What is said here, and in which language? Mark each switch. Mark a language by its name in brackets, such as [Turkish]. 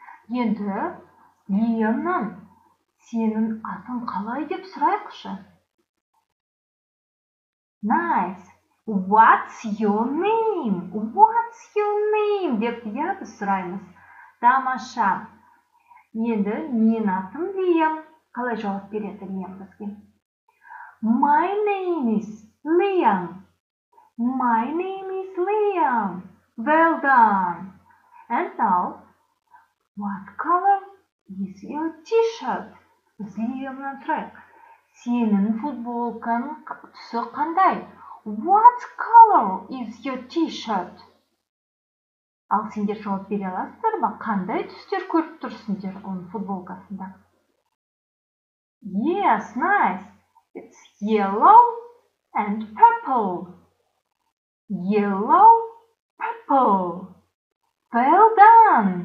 [Kazakh] Енді Лилиямнан сенің атың қалай деп сұрайықшы. [English] Найс. What's your name? What's your name? [Kazakh] Деп я біз сұраймыз. Тамаша. Енді мен атым Лиам. Қалай жауап береді Лиам бізге? [English] My name is Лиам. My name is Лиам. Well done. And now, what color is your t-shirt? [Kazakh] Лиамнан сұрайық. Сенің футболкаң түсі қандай? [English] What color is your t-shirt? [Kazakh] Ал сендер жауап бере аласыздар ба? Қандай түстер көріп тұрсыңдар оның футболкасында? [English] Yes, nice. It's yellow and purple. Yellow, purple. Well done.